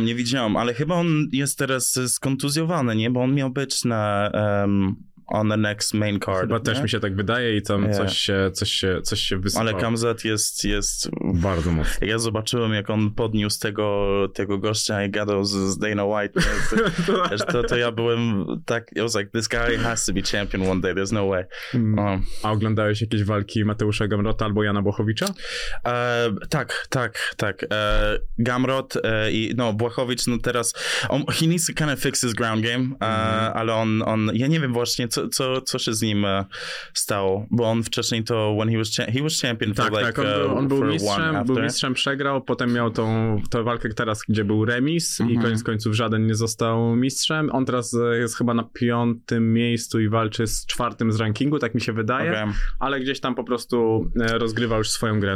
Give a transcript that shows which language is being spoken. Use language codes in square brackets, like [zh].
[pl] Nie widziałem, ale chyba on jest teraz skontuzjowany, nie? Bo on miał być na... [en] on the next main card. [pl] Chyba też nie? Mi się tak wydaje i tam coś się wysypało. Ale Kamzat jest... Bardzo mocno. Ja zobaczyłem, jak on podniósł tego gościa i gadał z Dana White. to ja byłem tak... [en] I was like, this guy has to be champion one day, there's no way. [pl] A oglądałeś jakieś walki Mateusza Gamrota albo Jana Błachowicza? Tak. Gamrot i no, Błachowicz, no teraz... [en] he needs to kind of fix his ground game, [pl] ale on... Ja nie wiem właśnie, co się z nim stało, bo on wcześniej to [en] when he was champion [pl] tak, [en] for like [pl] tak, on był mistrzem, przegrał, potem miał tą walkę teraz, gdzie był remis i koniec końców żaden nie został mistrzem. On teraz jest chyba na piątym miejscu i walczy z czwartym z rankingu, tak mi się wydaje, ale gdzieś tam po prostu rozgrywa już swoją grę.